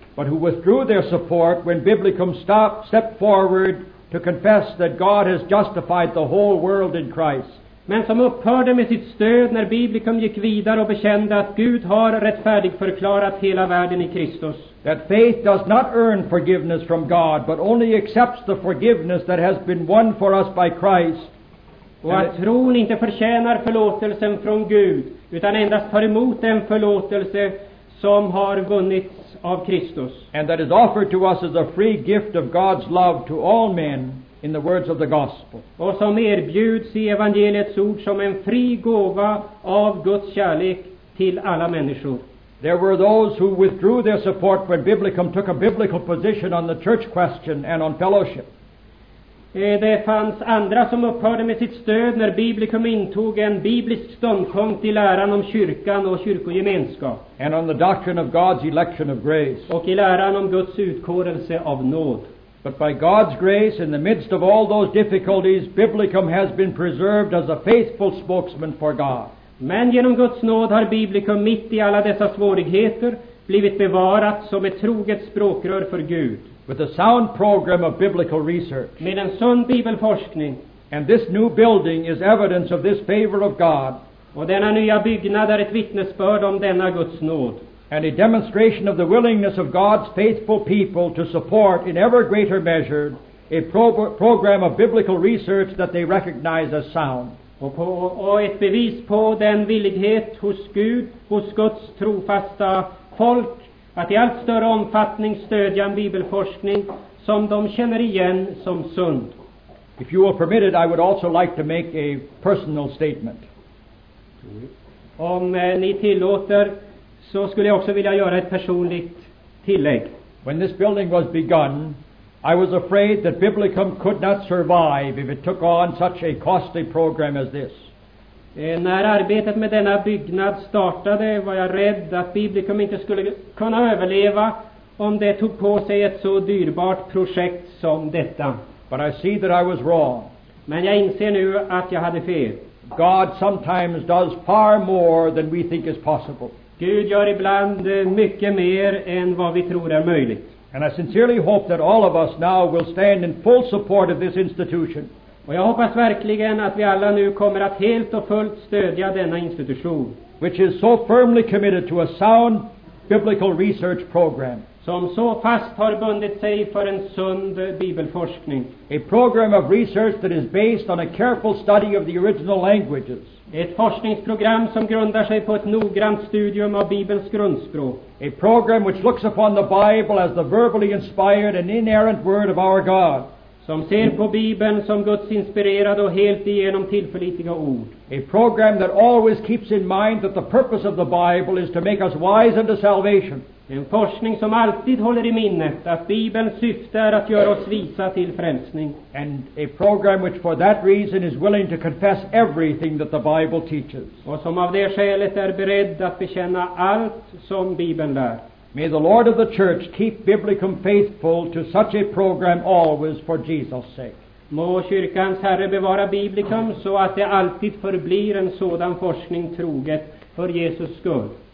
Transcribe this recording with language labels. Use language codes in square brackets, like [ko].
[en] But who withdrew their support when Biblicum stepped forward to confess that God has justified the whole world in Christ. [sv] Men som upphörde med sitt stöd när Biblicum gick vidare och bekände att Gud har rättfärdig förklarat hela världen i Kristus. [en] That faith does not earn forgiveness from God, but only accepts the forgiveness that has been won for us by Christ. [sv] Och att tron inte förtjänar förlåtelsen från Gud, utan endast tar emot den förlåtelse som har vunnit av Kristus. [en] And that is offered to us as a free gift of God's love to all men in the words of the gospel. [sv] Och som erbjuds i evangeliets ord som en fri gåva av Guds kärlek till alla människor. [en] There were those who withdrew their support when Biblicum took a biblical position on the church question and on fellowship. [sv] Det fanns andra som upphörde med sitt stöd när Biblicum intog en biblisk ståndpunkt i läran om kyrkan och kyrkogemenskap. [en] And on the doctrine of God's election of grace. [sv] Och i läran om Guds utkårelse av nåd. [en] But by God's grace, in the midst of all those difficulties, Biblicum has been preserved as a faithful spokesman for God. [sv] Men genom Guds nåd har Biblicum mitt i alla dessa svårigheter blivit bevarat som ett troget språkrör för Gud. [en] With a sound program of biblical research. [sv] Med en sund bibelforskning. [en] And this new building is evidence of this favor of God. [sv] Och denna nya byggnad är ett vittnesbörd om denna Guds nåd. [en] And a demonstration of the willingness of God's faithful people to support in ever greater measure a program of biblical research that they recognize as sound. [sv] Och ett bevis på den villighet hos Gud, hos Guds trofasta folk, att i allt större omfattning stödja en bibelforskning som de känner igen som sund. [en] If you will permit it, I would also like to make a personal statement. [sv] Om ni tillåter, så skulle jag också vilja göra ett personligt tillägg. [en] When this building was begun, I was afraid that Biblicum could not survive if it took on such a costly program as this. [sv] När arbetet med denna byggnad startade var jag rädd att Biblicum inte skulle kunna överleva om det tog på sig ett så dyrbart projekt som detta. [en] But I see that I was wrong. [sv] Men jag inser nu att jag hade fel. [en] God sometimes does far more than we think is possible. [sv] Gud gör ibland mycket mer än vad vi tror är möjligt. [en] And I sincerely hope that all of us now will stand in full support of this institution. [sv] Och jag hoppas verkligen att vi alla nu kommer att helt och fullt stödja denna institution, [en] which is so firmly committed to a sound biblical research program, [sv] som så fast har bundit sig för en sund bibelforskning. [en] A program of research that is based on a careful study of the original languages. [sv] Ett forskningsprogram som grundar sig på ett noggrant studium av Bibelns grundspråk. [en] A program which looks upon the Bible as the verbally inspired and inerrant word of our God. [sv] Som ser på Bibeln som Guds inspirerade och helt igenom tillförlitliga ord. [en] A program that always keeps in mind that the purpose of the Bible is to make us wise unto salvation. [sv] En forskning som alltid håller i minnet att Bibelns syfte är att göra oss visa till frälsning. [en] And a program which for that reason is willing to confess everything that the Bible teaches. [sv] Och som av det skälet är beredd att bekänna allt som Bibeln lär. [en] May the Lord of the Church keep Biblicum faithful to such a program always for Jesus' sake. [sv] Må kyrkans Herre bevara Biblicum så att det alltid förblir en sådan forskning troget för Jesus skull.